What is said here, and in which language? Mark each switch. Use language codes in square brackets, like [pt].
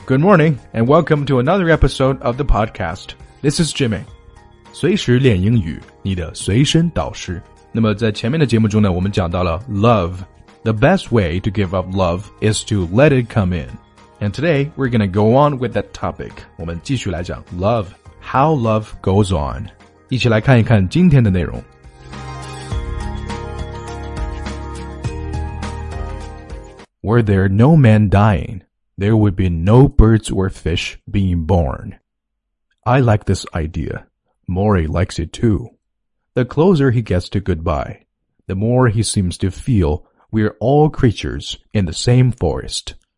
[en] Good morning, and welcome to another episode of the podcast. This is Jimmy. [zh] 随时练英语，你的随身导师。那么在前面的节目中呢，我们讲到了 love. [en] The best way to give up love is to let it come in. And today, we're going to go on with that topic. [zh] 我们继续来讲 love, [en] how love goes on. [zh] 一起来看一看今天的内容。 [en] Were there no men dying, there would be no birds or fish being born. I like this idea. Maury likes it too. The closer he gets to goodbye, the more he seems to feel we're all creatures in the same forest.